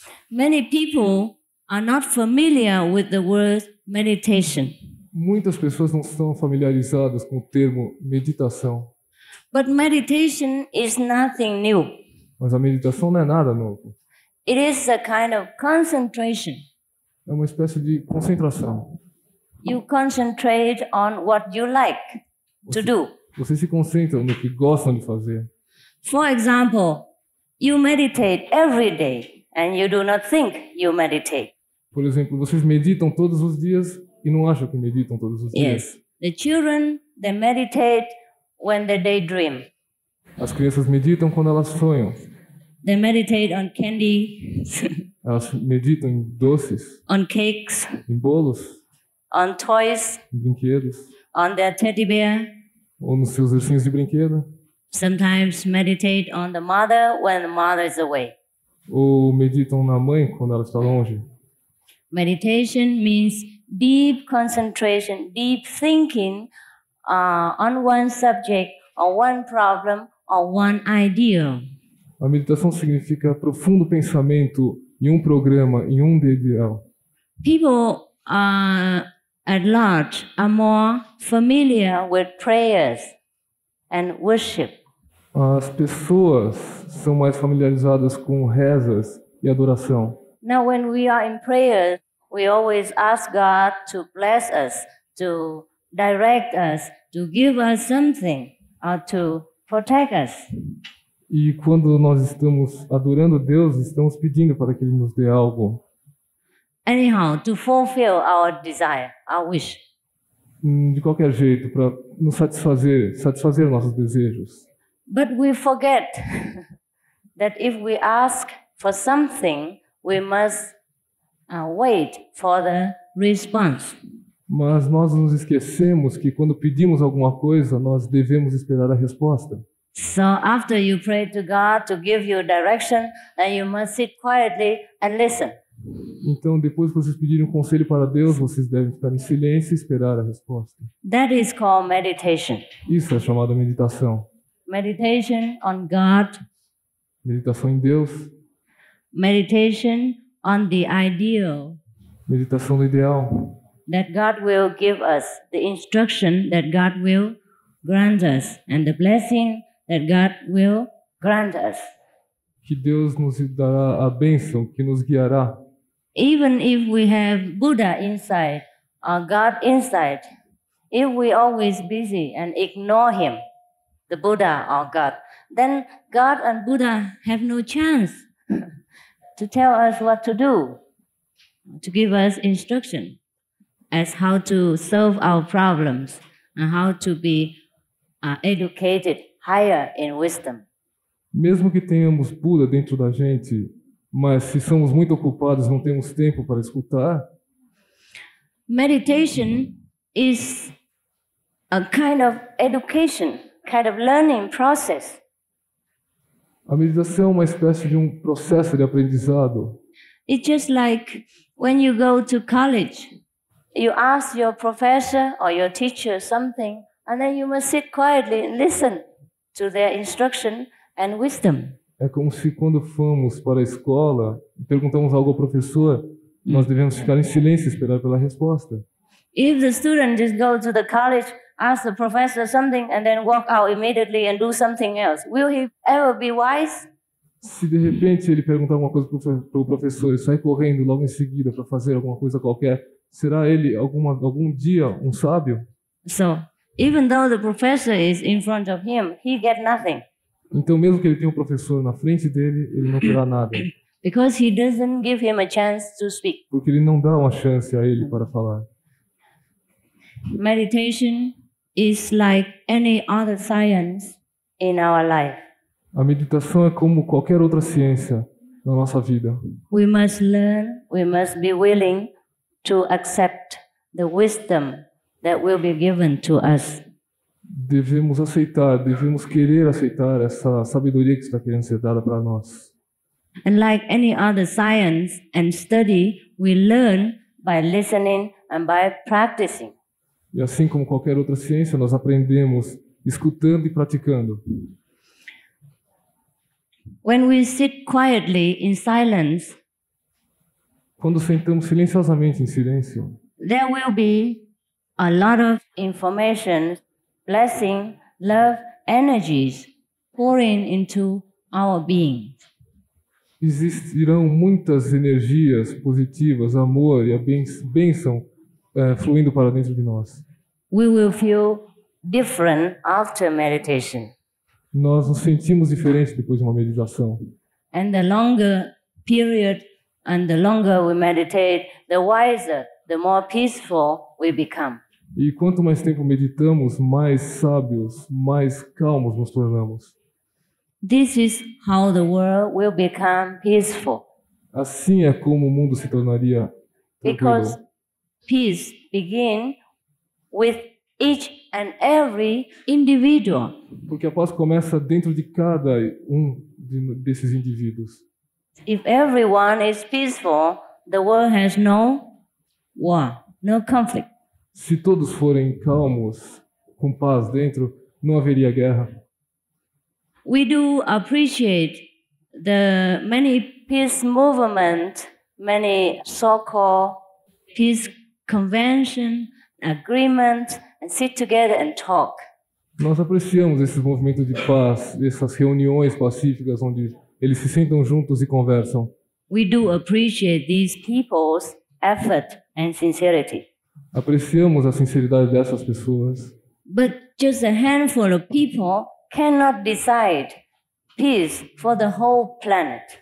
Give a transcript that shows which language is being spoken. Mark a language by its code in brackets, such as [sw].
[en] Many people are not familiar with the word meditation. [pt] Muitas pessoas não estão familiarizadas com o termo meditação. [en] But meditation is nothing new. [pt] Mas a meditação não é nada novo. [en] It is a kind of concentration. [pt] É uma espécie de concentração. [en] You concentrate on what you like to do. [pt] Você se concentra no que gostam de fazer. [en] For example, you meditate every day and you do not think you meditate. [pt] Por exemplo, vocês meditam todos os dias e não acham que meditam todos os dias. [en] Yes. The children, they meditate when they daydream. [pt] As crianças meditam quando elas sonham. [en] They meditate on candy. [pt] Elas meditam em doces. [en] On cakes. [pt] Em bolos. [en] On toys. [pt] Em brinquedos. [en] On their teddy bear. [pt] Ou nos seus ursinhos de brinquedo. [en] Sometimes meditate on the mother when the mother is away. [pt] Ou meditam na mãe quando ela está longe. [en] Meditation means deep concentration, deep thinking on one subject, on one problem, on one idea. [pt] A meditação significa profundo pensamento em programa, em ideal. [en] people at large are more familiar with prayers and worship. [pt] As pessoas são mais familiarizadas com rezas e adoração. [en] Now, when we are in prayer, we always ask God to bless us, to direct us, to give us something, or to protect us. [pt] E quando nós estamos adorando Deus, estamos pedindo para que Ele nos dê algo. [en] Anyhow, to fulfill our desire, our wish. [pt] De qualquer jeito, para nos satisfazer nossos desejos. [en] But we forget that if we ask for something, we must wait for the response. [pt] Mas nós nos esquecemos que quando pedimos alguma coisa, nós devemos esperar a resposta. [en] So after you pray to God to give you direction, then you must sit quietly and listen. [pt] Então depois que vocês pedirem um conselho para Deus, vocês devem ficar em silêncio e esperar a resposta. [en] That is called meditation. [pt] Isso é chamado meditação. [en] Meditation on God. [pt] Meditação em Deus. [en] Meditation on the ideal. [pt] Meditação no ideal. [en] That God will give us the instruction that God will grant us and the blessing that God will grant us. [pt] Que Deus nos dará a bênção, que nos guiará. [en] Even if we have Buddha inside or God inside, if we always busy and ignore him, the Buddha or God, then God and Buddha have no chance to tell us what to do, to give us instruction as how to solve our problems and how to be educated higher in wisdom. [pt] Mesmo que tenhamos Buda dentro da gente, mas se somos muito ocupados, não temos tempo para escutar. [en] Meditation is a kind of education, kind of learning process. [pt] A meditação é uma espécie de processo de aprendizado. [en] It's just like when you go to college, you ask your professor or your teacher something, and then you must sit quietly and listen to their instruction and wisdom. [pt] É como se quando fomos para a escola, perguntamos algo ao professor, nós devemos ficar em silêncio e esperar pela resposta. [en] If the student just go to the college, ask the professor something and then walk out immediately and do something else, will he ever be wise? [pt] Se de repente ele perguntar alguma coisa para o professor e sair correndo logo em seguida para fazer alguma coisa qualquer, será ele algum dia um sábio? [en] So, even though the professor is in front of him, he get nothing. [pt] Então mesmo que ele tenha um professor na frente dele, ele não terá nada. [en] Because he doesn't give him a chance to speak. [pt] Porque ele não dá uma chance a ele para falar. [en] Meditation is like any other science in our life. [pt] A meditação é como qualquer outra ciência na nossa vida. [en] We must learn, we must be willing to accept the wisdom that will be given to us. [pt] Devemos aceitar, devemos querer aceitar essa sabedoria que está querendo ser dada para nós. [en] And like any other science and study, we learn by listening and by practicing. [pt] E assim como qualquer outra ciência, nós aprendemos escutando e praticando. [en] When we sit quietly in silence, [pt] quando sentamos silenciosamente em silêncio, [en] there will be a lot of information, blessing, love, energies pouring into our being. [pt] Existirão muitas energias positivas, amor e a bênção fluindo para dentro de nós. [en] We will feel different after meditation. [pt] Nós nos sentimos diferentes depois de uma meditação. [en] And the longer period and the longer we meditate, the wiser, the more peaceful we become. [pt] E quanto mais tempo meditamos, mais sábios, mais calmos nos tornamos. [en] This is how the world will become peaceful. [pt] Assim é como o mundo se tornaria tranquilo. [en] Because peace begins with each and every individual. [pt] Porque a paz começa dentro de cada um desses indivíduos. [en] If everyone is peaceful, the world has no war, no conflict. [pt] Se todos forem calmos, com paz dentro, não haveria guerra. [en] We do appreciate the many peace movement, many so-called peace convention, agreement, and sit together and talk. [pt] Nós apreciamos esses movimentos de paz, essas reuniões pacíficas onde eles se sentam juntos e conversam. [en] We do appreciate these people's effort and sincerity. [pt] Apreciamos a sinceridade dessas pessoas. [en] But just a handful of people cannot decide peace for the whole planet.